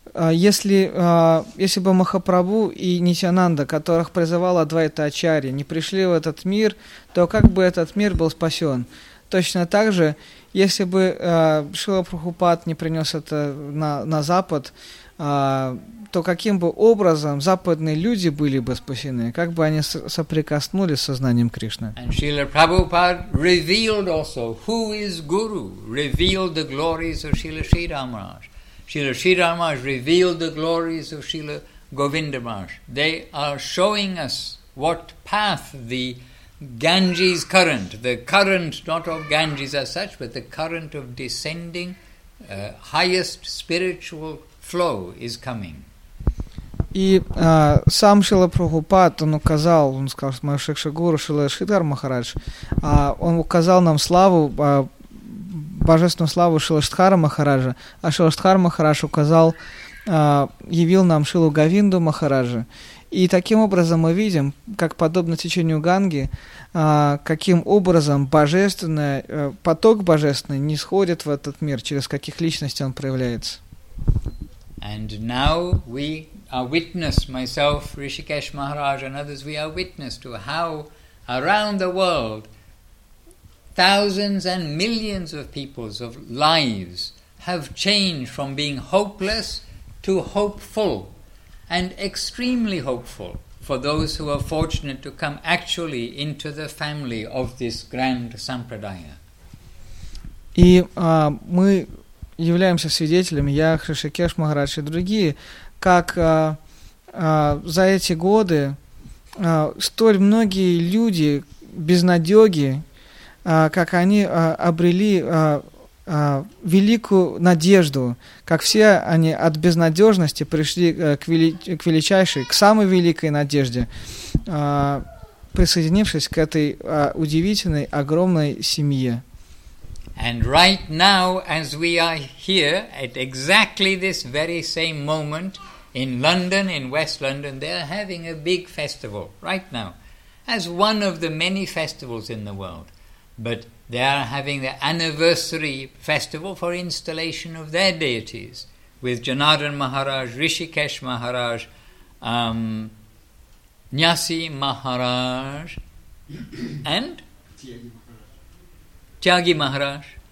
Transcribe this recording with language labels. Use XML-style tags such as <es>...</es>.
<ru>Если бы Махапрабху и Нитянанда, которых призывала Адвайта Ачарья, не пришли в этот мир, то как бы этот мир был спасен? Точно так же, если бы Шрила Прабхупад не принес это на Запад, то каким бы образом западные люди были бы спасены? Как бы они соприкоснулись с сознанием Кришны?</ru> <en>And Srila Prabhupada revealed also who is Guru, revealed the glories of Srila Sridhar Maharaj. Srila Sridhar Maharaj revealed the glories of Srila Govinda Maharaj. They are showing us what path the Ganges current, the current not of Ganges as such, but the current of descending highest spiritual flow is coming.</en> <ru>И сам Шрила Прабхупад, он указал, он сказал, что мой Шикшагуру Шрила Шридхар Махарадж, он указал нам славу, божественную славу Шрила Шридхара Махараджа, а Шрила Шридхар Махарадж указал, явил нам Шрилу Говинду Махараджа. И таким образом мы видим, как подобно течению Ганги, каким образом божественное, поток божественный нисходит в этот мир, через каких личностей он проявляется.</ru> <en>And now we are witness, myself, Rishikesh Maharaj and others, we are witness to how around the world thousands and millions of people's of lives have changed from being hopeless to hopeful and extremely hopeful for those who are fortunate to come actually into the family of this grand sampradaya.</en> <ru>И мы являемся свидетелями, я, Хришикеш Махарадж и другие, как за эти годы столь многие люди безнадёги, как они обрели великую надежду, как все они от безнадежности пришли к величайшей, к самой великой надежде, присоединившись к этой удивительной, огромной семье.</ru> <en>And right now, as we are here, at exactly this very same moment, in London, in West London, they are having a big festival, right now, as one of the many festivals in the world. But they are having the anniversary festival for installation of their deities with Janardan Maharaj, Rishikesh Maharaj, Nyasi Maharaj, and Tyagi Maharaj,</en>